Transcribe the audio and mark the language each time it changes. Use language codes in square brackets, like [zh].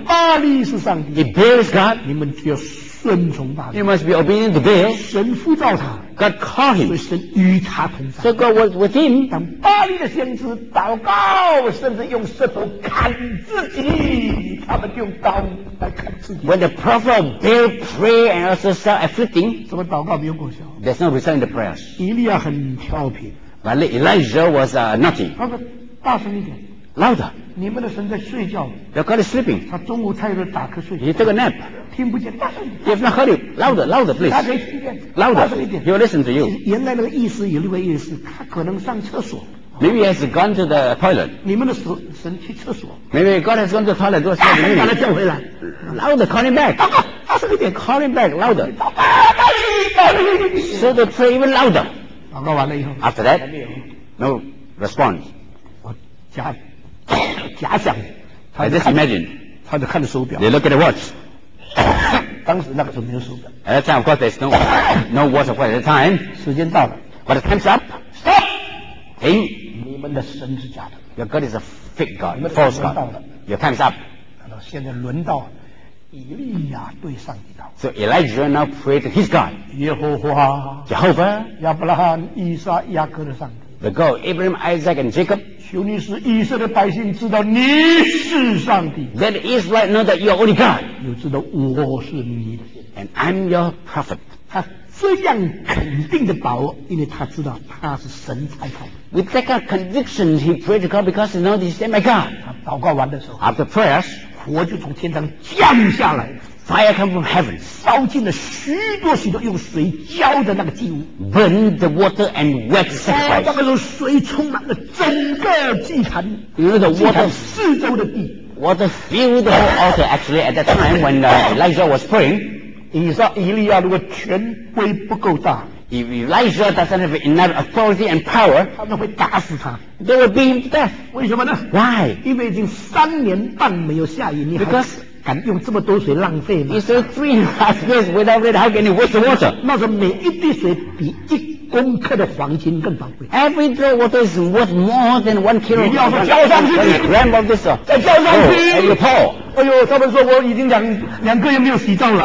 [zh] 巴力是上帝 [en] If Baal is God, [zh] 你们就顺从巴力 [en] You must be obedient to Baal. [zh] 神呼召他 [en] God called him. [zh] 所以神与他同在 [en] So God was with him. [zh] 当巴力的先知祷告，甚至用石头砍自己。他们用刀来砍自己。 [en] When the prophet of Baal prayed and also self-afflicting, [zh] 怎么祷告没有果效 [en] ？There's no result in the prayers. [zh] 以利亚很调皮。 [en] But Elijah was naughty. [zh] 他说：“大声一点 [en] ，louder！ [zh] 你们的神在睡觉。 [en] They're kind of sleeping. [zh] 他中午太热打瞌睡。 [en] He took a nap. [zh] 听不见，大声一点。 [en] You have not heard it. Louder, louder, please. [zh] 他可以听见。 [en] Louder, [zh] 大声一点。 [en] He'll listen to you. [zh] 原来那个意思，有另外意思，他可能上厕所。 [en] Maybe he has gone to the toilet. [zh] 你们的神去厕所。 [en] Maybe God has gone to the toilet. [zh] 大声把他叫回来。 [en] Louder, call him back. [zh] 祷告，大声一点。 [en] Call him back, louder. [zh] 祷告，大声一点。 [en] So the prayer even louder. [zh] 祷告完了以后。 [en] After that, no response. [zh] 我假想，他就 [en] imagine， [zh] 他就看着手表。 [en] They look at the watch。 [zh] 当时那个时候没有手表。 [en] At that time, of course, there's no watch at the time。 [zh] 时间到了。 [en] But the time's up. Stop. [zh] 停。你们的神是假的。 [en] Your God is a fake God, false God. Your time's up. [zh] 现在轮到以利亚对上帝祷告。 [en] So Elijah now prayed to his God. [zh] 耶和华。 [en] Jehovah。 [zh] 亚伯拉罕、以撒、雅各的上帝。 [en] The God Abraham, Isaac, and Jacob. [zh] 求你使以色列百姓知道你是上帝。 [en] Let Israel know that you are only God. [zh] 又知道我是你的。 [en] And I'm your prophet. [zh] 他这样肯定的把握，因为他知道他是神差派。 [en] With that kind of conviction, he prayed to God because he knows he's my God. [zh] 他祷告完的时候 [en] ，After prayers, [zh] 火就从天上降下来。 [en] Fire came from heaven, [zh] 烧尽了许多许多用水浇的那个祭物。 [en] Burn the water and wet the sacrifice. [zh] 那个时候水充满了整个祭坛，因为 [en] the water [zh] 四周的地。 [en] Water filled the whole altar. Actually, at that time when Elijah was praying, [zh] 以利亚如果权威不够大。 [en] If Elijah doesn't have enough authority and power, [zh] 他们会打死他。 [en] They will beat him to death. [zh] 为什么呢 [en] ？Why? [zh] 因为已经三年半没有下雨，你还敢用这么多水浪费吗 [en] ？It's three and a half years without rain. How can you waste water? [zh] 那是每一滴水比一公克的黄金更宝贵。 [en] Every drop of water is worth more than one kilo. [zh] 你要说浇上去，你 [en] gram of this, [zh] 再浇上去，哎呦泡。哎呦，他们说我已经两个月没有洗澡了。